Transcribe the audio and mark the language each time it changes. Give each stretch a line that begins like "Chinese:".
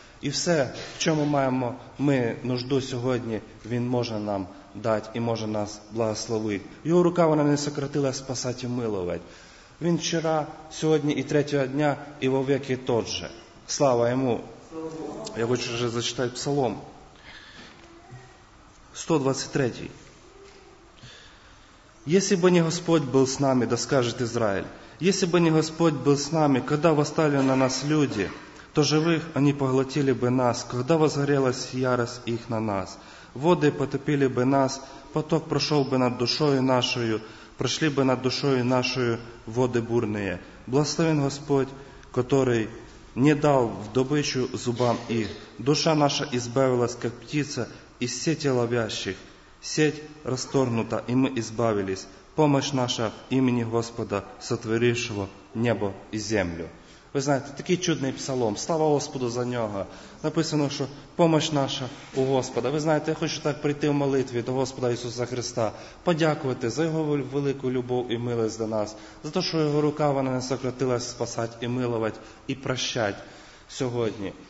Ukrainian: І все, в чому маємо ми нужду сьогодні, Він може нам дати і може нас благословити. Його рука вона не сократила спасати і милувати. Він вчора, сьогодні і третього дня, і вовеки тот же. Слава Йому! Я хочу вже зачитати псалом. 123.
Russian: Если бы не Господь был с нами, да скажет Израиль, если бы не Господь был с нами, когда восстали на нас люди, то живых они поглотили бы нас, когда возгорелась ярость их на нас. Воды потопили бы нас, поток прошел бы над душою нашою, прошли бы над душою нашою воды бурные. Благословен Господь, который не дал в добычу зубам их. Душа наша избавилась, как птица, из сети ловящих, сеть расторгнута, и мы избавились. Помощь наша в имени Господа, сотворившего небо и землю.
Ukrainian: Ви знаєте, такий чудний псалом. Слава Господу за нього. Написано, що помощь наша у Господа. Ви знаєте, я хочу так прийти в молитві до Господа Ісуса Христа, подякувати за Його велику любов і милість до нас, за те, що Його рука вона не сократилась спасати і милувати, і прощати сьогодні.